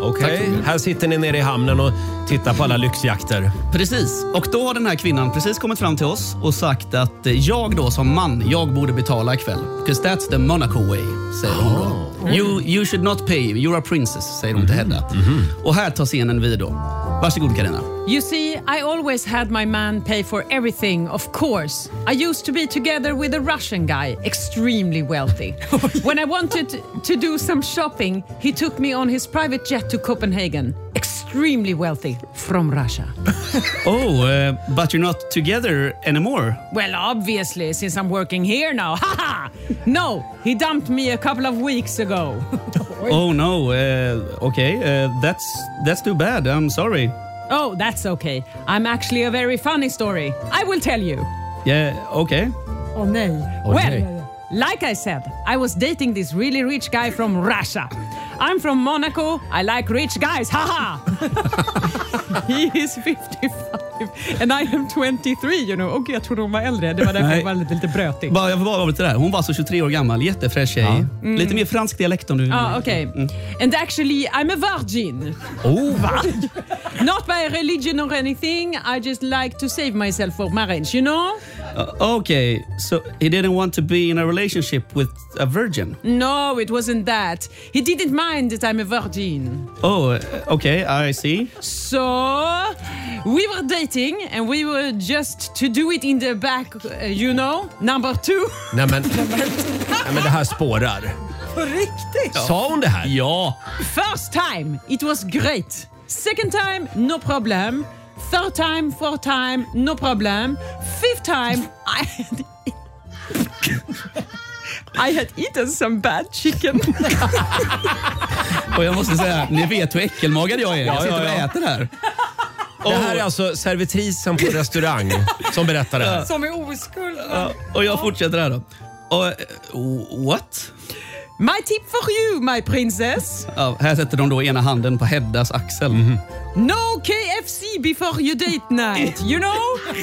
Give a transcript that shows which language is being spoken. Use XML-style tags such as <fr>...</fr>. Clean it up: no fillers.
<sv>Okej, här sitter ni nere i hamnen och tittar på alla lyxjakter. Precis. Precis. Och då har den här kvinnan precis kommit fram till oss och sagt att jag då som man, jag borde betala ikväll.</sv> <en>Because that's the Monaco way,</en> <sv>säger hon då.</sv> <en>You should not pay, you're a princess,</en> <sv>säger hon till Hedda. Och här tar scenen vid då. Varsågod Karina.</sv> <en>You see, I always had my man pay for everything, of course. I used to be together with a Russian guy, extremely wealthy. When I wanted to do some shopping, he took me on his private jet to Copenhagen. Extremely wealthy, from Russia. Oh, but you're not together anymore. Well, obviously, since I'm working here now. No, he dumped me a couple of weeks ago. Oh no, okay, that's too bad, I'm sorry. Oh, that's okay. I'm actually a very funny story. I will tell you. Yeah, okay. Oh, no. Well, like I said, I was dating this really rich guy from Russia. I'm from Monaco. I like rich guys. Ha ha! He is 55 and I am 23, you know.</en> <sv>Och jag trodde hon var äldre. Det var därför jag var lite brötig. Jag får bara vara lite där. Hon var så 23 år gammal. Jättefräsch tjej. Mm. Lite mer fransk dialekt om du vill. Ja, okej.</sv> <en>And actually, I'm a virgin.</en> <sv>Oh, va?</sv> <en>Not by religion or anything. I just like to save myself for marriage, you know? Okay, so he didn't want to be in a relationship with a virgin? No, it wasn't that. He didn't mind that I'm a virgin. Oh, okay, I see. So, we were dating and we were just to do it in the back, you know, number two.</en> <sv>Nej, men, nej, men det här spårar. På riktigt? Sa hon det här? Ja.</sv> <en>First time, it was great. Second time, no problem. Third time, fourth time, no problem. Fifth time, I had eaten some bad chicken.</en> <sv>Och jag måste säga, ni vet hur äckelmagad jag är. Jag sitter och äter här. Det här är alltså servitrisen på restaurang som berättar det. Som är oskuld. Och jag fortsätter här då. Och,</sv> <en>what? My tip for you, my princess.</en> <sv>Oh, här sätter de då ena handen på Heddas axel.</sv> <en>No KFC before your date night, you know?</en>